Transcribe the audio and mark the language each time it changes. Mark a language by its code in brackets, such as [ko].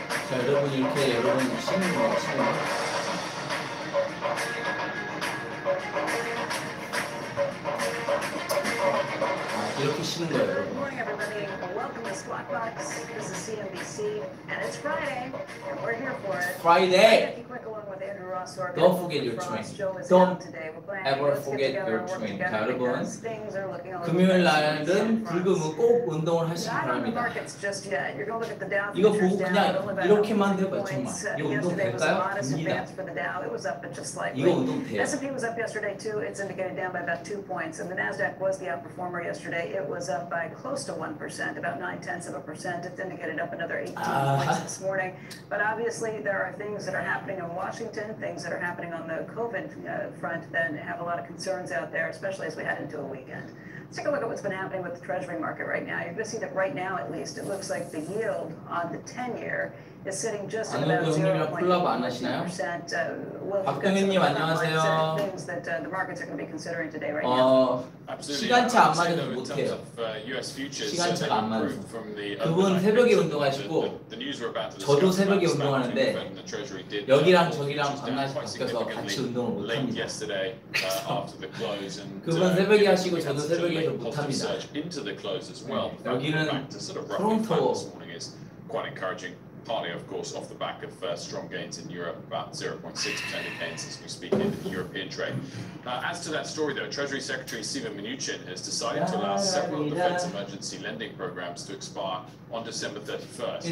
[ko] So, 여러분, 이렇게 여러분 쉬는 거 같아요. 이렇게 쉬는 거예요, 여러분. [en] Squawk Box. This is CNBC, and it's Friday, and we're here for it. Friday. Don't forget your train. Don't ever forget your train. [ko] 자, 여러분. 금요일 날은 불금은 꼭 운동을 하시기 바랍니다. 이거 보고 그냥 이렇게만 해봐요, 정말. 이거 운동 될까요? 됩니다. 이거 운동 돼요. [en] S&P was up yesterday too. It's indicating down by about 2 points, and the Nasdaq was the outperformer yesterday. It was up by close to 1%, about 0.9%. It's indicated up another 18 points this morning. But obviously, there are things that are happening in Washington, things that are happening on the COVID front that have a lot of concerns out there, especially as we head into a weekend. Let's take a look at what's been happening with the Treasury market right now. You're going to see that right now, at least, it looks like the yield on the 10-year is sitting just at about 0.2%. [ko] Well, Park-Dong-min님, 안녕하세요. [en] Things that the markets are going to be considering today, right? [ko] 시간차 안 맞아서 못 해요. [en] US futures, [ko] 시간차가 안 맞아서. 그분 새벽에 운동하시고 저도 새벽에 운동하는데 여기랑 저기랑 장난이 바뀌어서 같이 운동을 못합니다. 그분 새벽에 하시고 저도 새벽에서 못합니다. 네. 여기는 프론토 [en] quite encouraging. Partly, of course, off the back of strong gains in Europe, about 0.6% of gains as we speak in the European trade. As to that story, though, Treasury Secretary Steven Mnuchin has decided to allow several of the Fed's emergency lending programs to expire on December 31st.